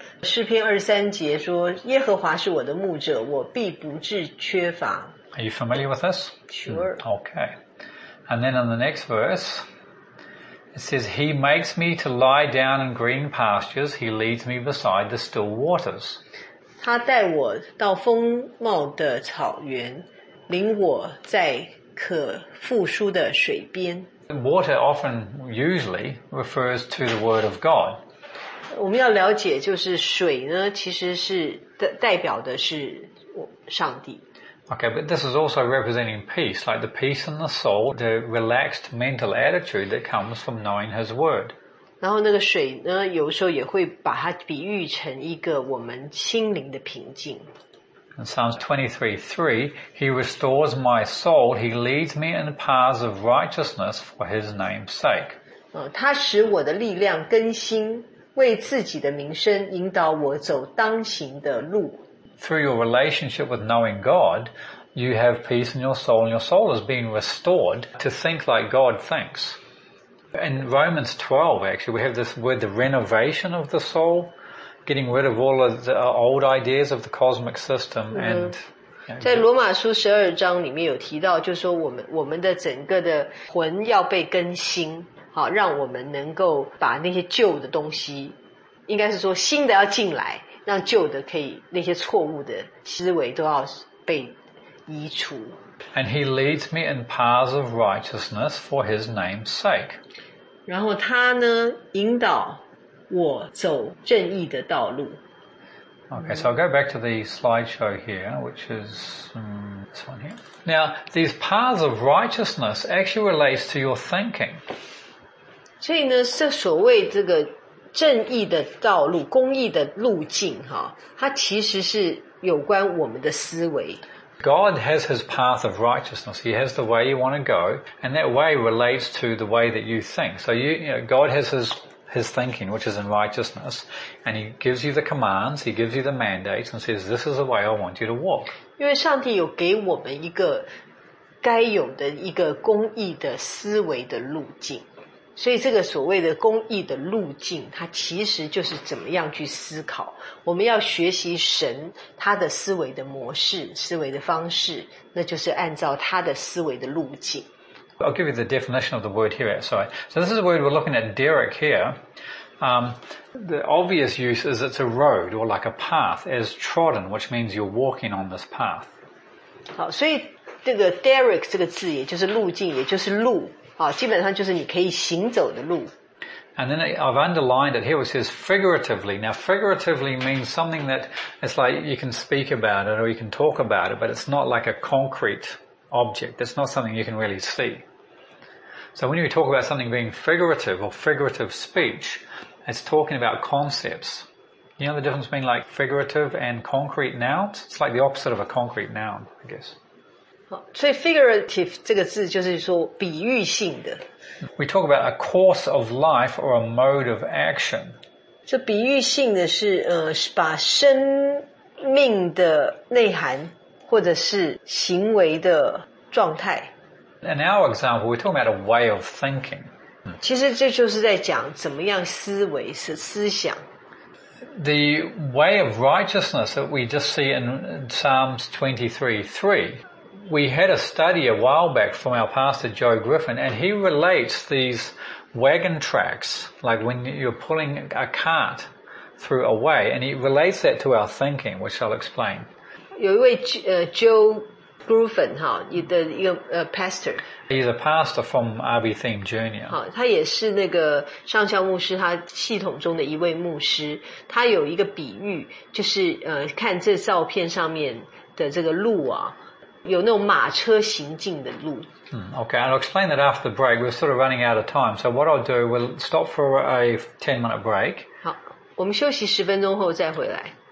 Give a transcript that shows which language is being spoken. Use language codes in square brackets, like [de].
[zh] 诗篇23节说，耶和华是我的牧者，我必不致缺乏。 [en] Are you familiar with this? Sure. Okay. And then in the next verse, it says, He makes me to lie down in green pastures, He leads me beside the still waters. [zh] 他带我到丰茂的草原，领我在可复苏的水边。 [en] Water often, usually, refers to the Word of God. [zh] 我们要了解就是水呢其实是代表的是上帝。 [en] Okay, but this is also representing peace, like the peace in the soul, the relaxed mental attitude that comes from knowing His Word. [zh] 然后那个水呢有时候也会把它比喻成一个我们心灵的平静。 [en] In Psalms 23:3, He restores my soul, He leads me in the paths of righteousness for His name's sake. [zh] 他使我的力量更新，为自己的名声引导我走当行的路。 [en] Through your relationship with knowing God, you have peace in your soul, and your soul is being restored to think like God thinks. In Romans 12, actually, we have this word, the renovation of the soul. Getting rid of all of the old ideas of the cosmic system and... [zh] 在罗马书12章里面有提到就是说我们的整个的魂要被更新好让我们能够把那些旧的东西应该是说新的要进来让旧的可以那些错误的思维都要被移除。 [en] And he leads me in paths of righteousness for his name's sake. [zh] 然后他呢引导我走正义的道路。 [en] Okay, so I'll go back to the slideshow here, which is, this one here. Now, these paths of righteousness actually relates to your thinking. [zh] 所以呢，这所谓这个正义的道路、公义的路径，哈，它其实是有关我们的思维。 [en] God has his path of righteousness. He has the way you want to go, and that way relates to the way that you think. So you know, God has his thinking, which is in righteousness, and he gives you the commands, he gives you the mandates, and says, this is the way I want you to walk. [zh] 因为上帝有给我们一个该有的一个公义的思维的路径。所以这个所谓的公义的路径，它其实就是怎么样去思考。我们要学习神他的思维的模式，思维的方式，那就是按照他的思维的路径。 [en] I'll give you the definition of the word here. Sorry. So this is a word we're looking at, Derek, here. The obvious use is it's a road or like a path as trodden, which means you're walking on this path. [zh] 好，所以这个 Derek 这个字也就是路径，也就是路，基本上就是你可以行走的路。 [en] And then I've underlined it here, which says figuratively. Now, figuratively means something that it's like you can speak about it or you can talk about it, but it's not like a concrete... object. That's not something you can really see. So when you talk about something being figurative or figurative speech, it's talking about concepts. You know the difference between like figurative and concrete nouns? It's like the opposite of a concrete noun, I guess. [zh] 所以 figurative 这个字就是说比喻性的。 [en] We talk about a course of life or a mode of action. [zh] 所以比喻性的是把生命的内涵或者是行为的状态。 [en] In our example, we're talking about a way of thinking. [zh] 其实这就是在讲怎么样思维、思想。 [en] The way of righteousness that we just see in Psalms 23:3. We had a study a while back from our pastor Joe Griffin, and he relates these wagon tracks, like when you're pulling a cart through a way, and he relates that to our thinking, which I'll explain. [zh] 有一位Joe Griffin 哈，你的一个pastor. [en] He's a pastor from RB Theme Junior. [zh] 好，他也是那个上校牧师，他系统中的一位牧师。他有一个比喻，就是看这照片上面的这个路啊。有那种马车行进的路。 [en] Okay, I'll explain that after the break. We're sort of running out of time. So what I'll do, we'll stop for a 10-minute break. [zh] 好，我们休息十分钟后再回来。